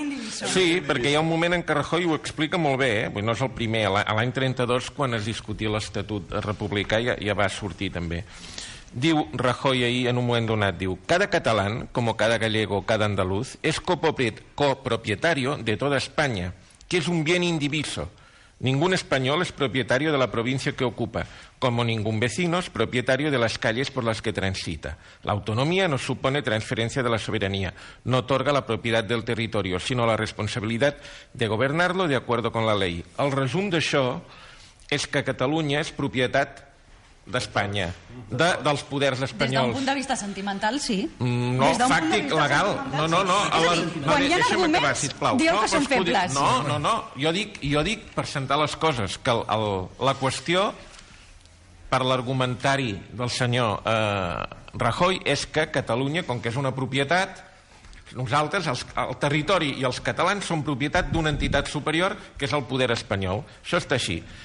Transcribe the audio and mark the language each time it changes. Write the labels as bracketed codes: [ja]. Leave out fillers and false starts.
[ca] Sí, perquè hi ha un moment en què Rajoy ho explica molt bé, eh? No és el primer, l'any 32 quan es discutia l'Estatut Republicà ja va sortir també. Diu Rajoy ahir en un moment donat, diu: cada català, com [es] cada gallego, cada andaluz, [ca] és [es] copropietario [ca] de tota Espanya, que és [es] un bien indiviso. Ningún español es propietario de la provincia que ocupa, como ningún vecino es propietario de las calles por las que transita. La autonomía no supone transferencia de la soberanía, no otorga la propiedad del territorio, sino la responsabilidad de gobernarlo de acuerdo con la ley. [ca] El resum d'això és que Catalunya és propietat d'Espanya, dels poders espanyols. Des d'un punt de vista sentimental, sí. No, fàctic, legal. No. Quan hi ha arguments, dieu que són febles. Jo dic, per sentar les coses, que la qüestió, per l'argumentari del senyor Rajoy, és que Catalunya, com que és una propietat, nosaltres, el territori i els catalans són propietat d'una entitat superior, que és el poder espanyol. Això està així.